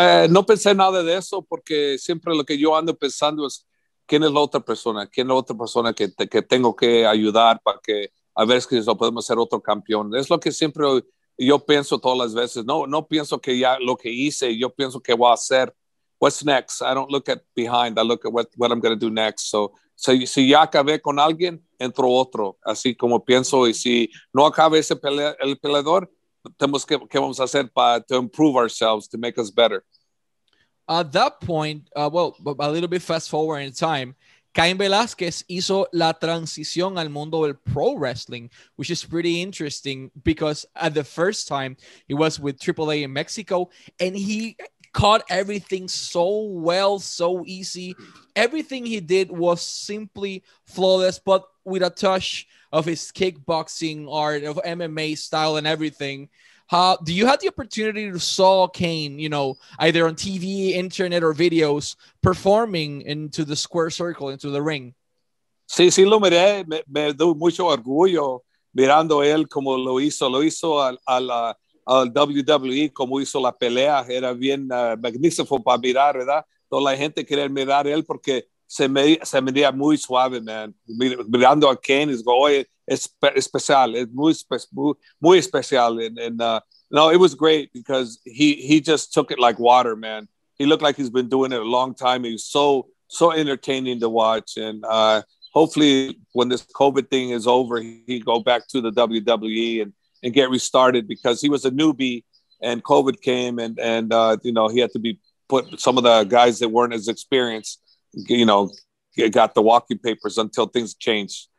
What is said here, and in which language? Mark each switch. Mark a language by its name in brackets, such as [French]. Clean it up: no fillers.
[Spanish] No pensé nada de eso, porque siempre lo que yo ando pensando es quién es la otra persona, quién es la otra persona que tengo que ayudar para que a ver si lo podemos hacer otro campeón. Es lo que siempre yo pienso todas las veces. No pienso que ya lo que hice, yo pienso que voy a hacer. [English] What's next? I don't look at behind, I look at what I'm going to do next. [Spanish] So si ya acabé con alguien, entro otro, así como pienso. Y si no acabe ese peleador, tenemos que vamos a hacer para [English] improve ourselves, to make us better. At that point, a little bit fast forward in time, Caín Velázquez [Spanish] hizo la transición al mundo del [English] pro wrestling, which is pretty interesting, because at the first time, he was with AAA in Mexico, and he caught everything so well, so easy. Everything he did was simply flawless, but with a touch of his kickboxing art, of MMA style and everything. Do you have the opportunity to saw Caín, you know, either on TV, internet, or videos, performing into the square circle, into the ring? [Spanish] Sí, sí, lo miré. Me dio mucho orgullo mirando él como lo hizo. Lo hizo al WWE, como hizo la pelea. Era bien magnífico para mirar, ¿verdad? Toda la gente quería mirar él porque se miría muy suave, man. Mirando a Caín, es como, oye, especial, es muy especial, [English] and it was great, because he just took it like water, man. He looked like he's been doing it a long time. He's so entertaining to watch, and hopefully when this COVID thing is over, he go back to the WWE and get restarted, because he was a newbie and COVID came and he had to be put, some of the guys that weren't as experienced, you know, got the walking papers until things changed.